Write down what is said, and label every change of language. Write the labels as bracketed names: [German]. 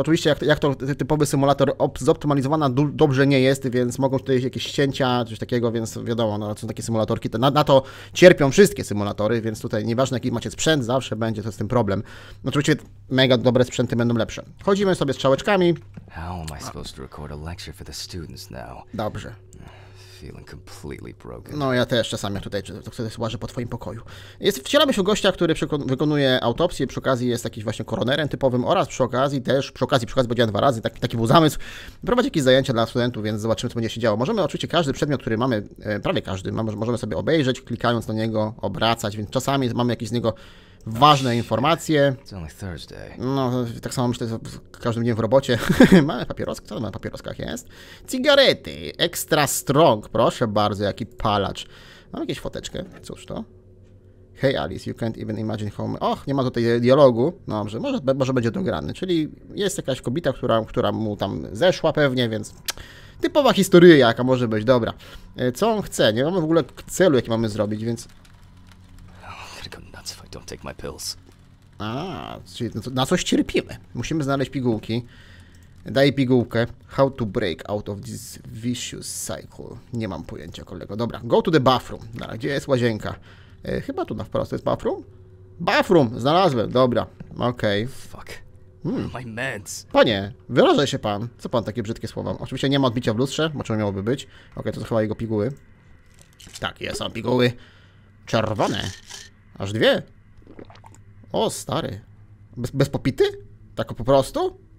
[Polish] Oczywiście jak to typowy symulator zoptymalizowana dobrze nie jest, więc mogą tutaj jakieś ścięcia, coś takiego, więc wiadomo, no, są takie symulatorki. Na to cierpią wszystkie symulatory, więc tutaj nieważne jaki macie sprzęt, zawsze będzie to z tym problem. No, oczywiście mega dobre sprzęty będą lepsze. Chodzimy sobie strzałeczkami. [English] How am I supposed to record a lecture for the students now? [Polish] Dobrze. [English] Feeling completely broken. [Polish] No ja też czasami tutaj łażę po twoim pokoju. Wcielamy się gościa, który wykonuje autopsję, przy okazji jest jakimś właśnie koronerem typowym oraz przy okazji powiedziałem dwa razy, taki był zamysł. Prowadzi jakieś zajęcia dla studentów, więc zobaczymy co będzie się działo. Możemy oczywiście każdy przedmiot, który mamy, prawie każdy, możemy sobie obejrzeć, klikając na niego, obracać, więc czasami mamy jakieś z niego ważne informacje. No, tak samo myślę każdym dniem w robocie. Mamy papieroski? Co tam na papieroskach jest? Cigarety! [English] Extra strong! [Polish] Proszę bardzo, jaki palacz. Mam jakieś foteczkę? Cóż to? [English] Hey Alice, you can't even imagine how... [Polish] Och, nie ma tutaj dialogu. Dobrze, może będzie dograny. Czyli jest jakaś kobieta, która mu tam zeszła pewnie, więc... Typowa historia, jaka może być. Dobra. Co on chce? Nie mamy w ogóle celu, jaki mamy zrobić, więc... [English] If I don't take my pills. [Polish] A, czyli na coś cierpimy. Musimy znaleźć pigułki. Daj pigułkę. [English] How to break out of this vicious cycle. [Polish] Nie mam pojęcia, kolego. [English] Dobra, go to the bathroom. [Polish] Dobra, gdzie jest łazienka? Chyba tu na wprost. To jest bathroom? Bathroom! Znalazłem, dobra. Okej. [English] Fuck. My meds. [Polish] Panie, wyrażaj się pan. Co pan takie brzydkie słowa? Oczywiście nie ma odbicia w lustrze, bo czemu miałoby być. Okej, to chyba jego piguły. Tak, jest, są piguły. Czerwone. Aż dwie? O, stary. Bez popity? Tak po prostu?